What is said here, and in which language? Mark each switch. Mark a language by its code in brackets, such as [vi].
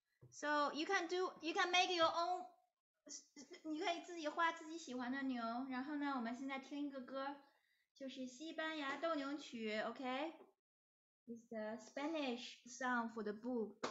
[en] So you can do, you can make your own. [zh] 你可以自己画自己喜欢的牛。然后呢，我们现在听一个歌，就是西班牙斗牛曲。 [en] OK, it's the Spanish song for the bull.